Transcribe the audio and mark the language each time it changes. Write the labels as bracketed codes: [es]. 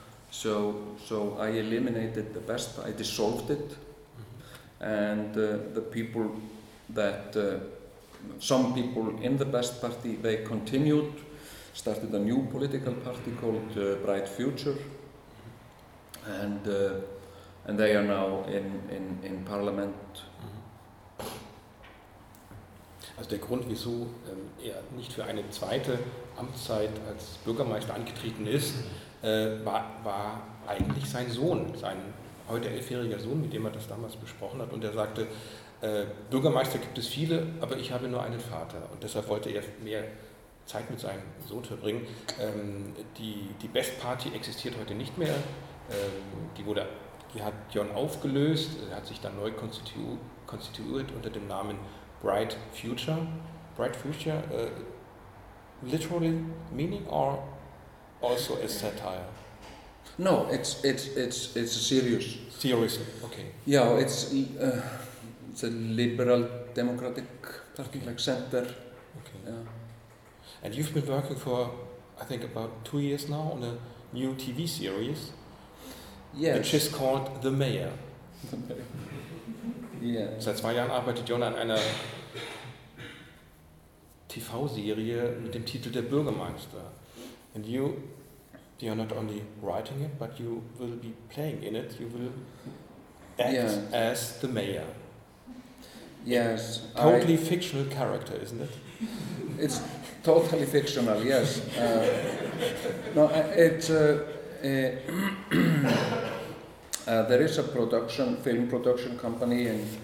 [en] So I eliminated the best. I dissolved it, and the people that some people in the best party, they continued, started a new political party called Bright Future, and they are now in parliament. [de] Also der Grund, wieso er nicht für eine zweite Amtszeit als Bürgermeister angetreten ist, war eigentlich sein Sohn, sein heute 11-jähriger Sohn, mit dem er das damals besprochen hat, und er sagte, Bürgermeister gibt es viele, aber ich habe nur einen Vater, und deshalb wollte er mehr Zeit mit seinem Sohn verbringen. Die Best Party existiert heute nicht mehr, die hat John aufgelöst, er hat sich dann neu konstituiert unter dem Namen Bright Future. [en] Bright Future, literally meaning or also a satire? No, it's serious. Serious, okay. Yeah, it's a liberal democratic party, like center. Okay. Yeah. And you've been working for, I think, about 2 years now on a new TV series. Yes. Which is called The Mayor. Yeah. [de] Seit 2 Jahren arbeitet John an einer TV-Serie mit dem Titel Der Bürgermeister. [en] And you are not only writing it, but you will be playing in it. You will act as the mayor. Yes. A totally fictional character, isn't it? It's totally fictional, yes. There is a film production company